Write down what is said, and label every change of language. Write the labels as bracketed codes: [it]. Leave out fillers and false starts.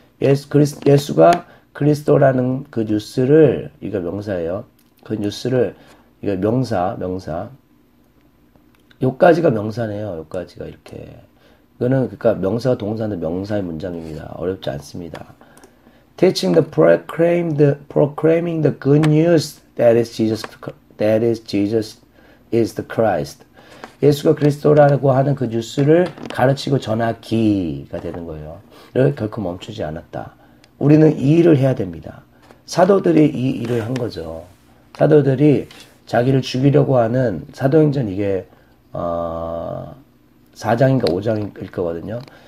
[ko] 예수가 그리스도라는 그 뉴스를, 이거 명사예요. 그 뉴스를, 이거 명사. 요까지가 명사네요. 요까지가 이렇게. 이거는, 그러니까 명사와 동사는 명사의 문장입니다. 어렵지 않습니다. [en] Teaching the proclaiming the good news that is Jesus is the Christ. [ko] 예수가 그리스도라고 하는 그 뉴스를 가르치고 전하기가 되는 거예요. 결코 멈추지 않았다. 우리는 이 일을 해야 됩니다. 사도들이 이 일을 한 거죠. 사도들이 자기를 죽이려고 하는 사도행전 이게 4장인가 5장일 거거든요.